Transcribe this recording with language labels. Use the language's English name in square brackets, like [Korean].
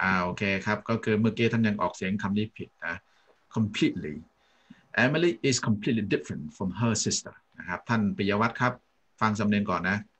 [Thai] Okay, ครับก็คือเมื่อกี้ท่านยังออกเสียงคำนี้ผิดนะ completely. [English] Emily is completely different from her sister. [Thai] นะครับท่านปิยวัฒน์ครับฟังสำเนียงก่อนนะ